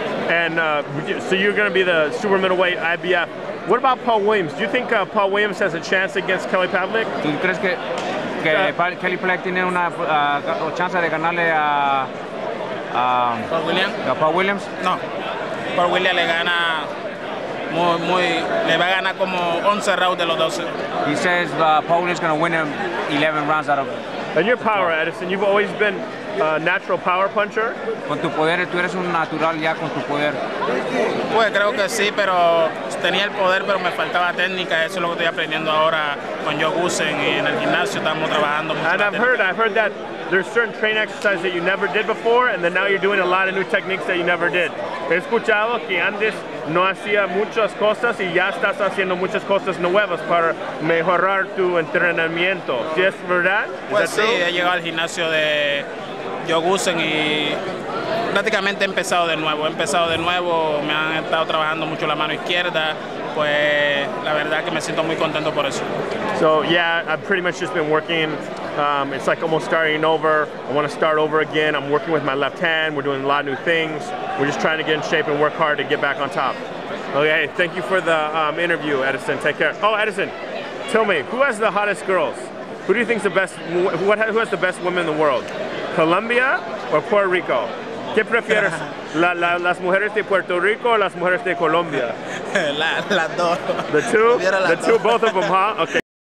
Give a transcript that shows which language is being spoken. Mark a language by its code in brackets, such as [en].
[en] And so you're going to be the super middleweight IBF. What about Paul Williams? Do you think Paul Williams has a chance against Kelly Pavlik? [es] ¿Tú crees que Kelly Pavlik tiene una chance de ganarle a Paul Williams? Paul Williams? No. Paul Williams le gana muy le va a ganar como 11 rounds de los 12. [en] He says Paul Williams is going to win him 11 rounds out of. And your power, Edison, you've always been a natural power puncher. [es] Con tu poder, tú eres un natural ya con tu poder. Pues creo que sí, pero tenía el poder, pero me faltaba técnica. Eso es lo que estoy aprendiendo ahora con Yogusen y en el gimnasio estamos trabajando. [en] And I've heard that there's certain training exercises that you never did before, and then now you're doing a lot of new techniques that you never did. [es] He escuchado que antes no hacía muchas cosas y ya estás haciendo muchas cosas nuevas para mejorar tu entrenamiento. ¿Sí es verdad? Pues sí, he llegado al gimnasio de Yogusen y prácticamente he empezado de nuevo. Me han estado trabajando mucho la mano izquierda. Pues la verdad que me siento muy contento por eso. [en] So yeah, I've pretty much just been working. It's like almost starting over. I want to start over again. I'm working with my left hand. We're doing a lot of new things. We're just trying to get in shape and work hard to get back on top. Okay, thank you for the interview, Edison. Take care. Oh, Edison, tell me, who has the hottest girls? Who do you think is the best? Who has the best women in the world? Colombia or Puerto Rico? [es] ¿Qué prefieres? ¿Las mujeres de Puerto Rico o las mujeres de Colombia? Las dos. [en] The two? The two, both of them, huh? Okay.